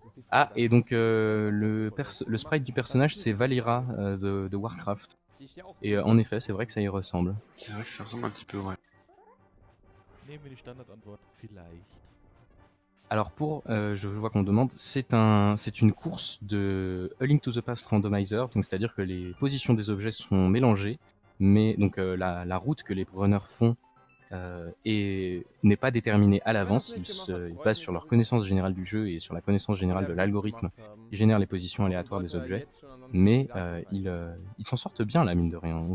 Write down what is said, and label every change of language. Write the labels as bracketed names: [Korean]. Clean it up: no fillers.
[French] Ah, et donc le sprite du personnage, c'est Valyra de Warcraft. Et en effet, c'est vrai que ça y ressemble. C'est vrai que ça ressemble un petit peu, ouais. [German] Nehmen wir die Standardantwort, vielleicht. [French] Alors pour, je vois qu'on demande, c'est une course de A Link to the Past Randomizer, donc c'est-à-dire que les positions des objets sont mélangées, mais donc la route que les runners font et n'est pas déterminé à l'avance, ils basent sur leur connaissance générale du jeu et sur la connaissance générale de l'algorithme qui génère les positions aléatoires des objets, mais ils s'en sortent bien là, mine de rien.